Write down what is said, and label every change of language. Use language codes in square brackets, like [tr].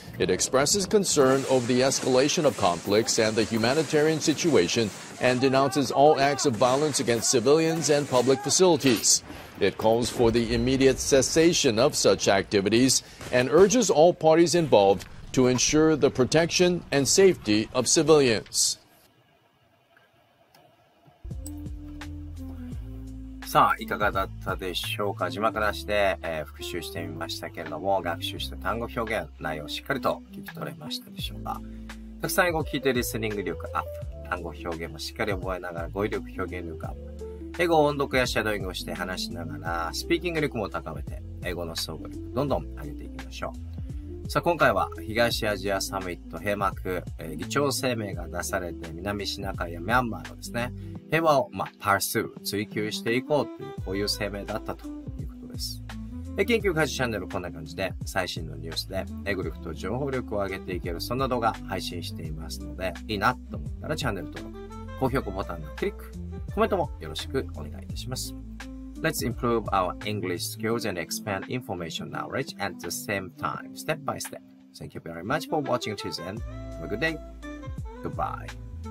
[en] It expresses concern over the escalation of conflicts and the humanitarian situation and denounces all acts of violence against civilians and public facilities. It calls for the immediate cessation of such activities and urges all parties involved to ensure the protection and safety of civilians. [ja] さあ、いかがだったでしょうか。字幕なしで、復習してみましたけれども、学習した単語表現内容をしっかりと聞き取れましたでしょうか。たくさん英語を聞いてリスニング力アップ、単語表現もしっかり覚えながら語彙力表現力アップ、英語音読やシャドーイングをして話しながらスピーキング力も高めて、英語の総合力どんどん上げていきましょう。さあ、今回は東アジアサミット閉幕、議長声明が出されて、南シナ海やミャンマーのですね、平和を、まあ、パースルー、追求していこうという、こういう声明だったということです。緊急家事チャンネルはこんな感じで、最新のニュースで、英語力と情報力を上げていける、そんな動画配信していますので、いいなと思ったらチャンネル登録、高評価ボタンのクリック、コメントもよろしくお願いいたします。 [en] Let's improve our English skills and expand information knowledge at the same time, step by step. Thank you very much for watching this end. Have a good day. Goodbye.